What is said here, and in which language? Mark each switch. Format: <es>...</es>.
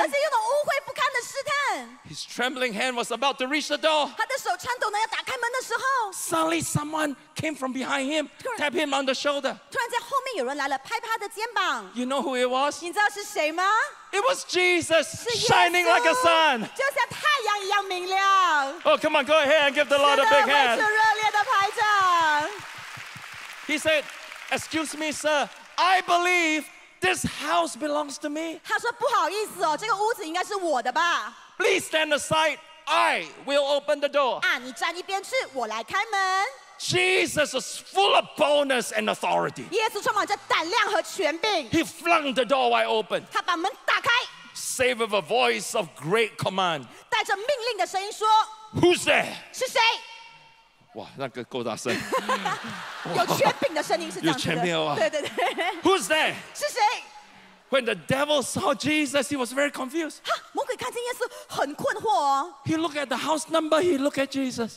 <zh>而且用了污秽不堪的试探。</zh> <en>His trembling hand was about to reach the door.</en> <zh>他的手颤抖呢，要打开门的时候。</zh> <en>Suddenly, someone came from behind him, tap him on the shoulder.</en> <zh>突然间，后面有人来了，拍拍他的肩膀。</zh> <en>You know who it was?</en> <zh>你知道是谁吗？</zh> <en>It was Jesus, shining like a sun.</en> <zh>就像太阳一样明亮。</zh> <en>Oh, come on, go ahead and give the Lord a big hand.</en> <zh>是的，为主热烈的拍掌。</zh> <en>He said, excuse me, sir, I believe this house belongs to me.</en> <zh>他说，不好意思哦，这个屋子应该是我的吧。</zh> <en>Please stand aside, I will open the door.</en> <zh>啊，你站一边去，我来开门。</zh> <en>Jesus was full of boldness and authority. He flung the door wide open. Say with a voice of great command. Who's there?</en> <zh>是谁? 哇，那个够大声。有权柄的声音是这样子的。</zh> <en>Who's there?</en> <zh>是谁?</zh> <en>When the devil saw Jesus, he was very confused.</en> <zh>哈，魔鬼看见耶稣很困惑。</zh> <en>He looked at the house number, he looked at Jesus.</en>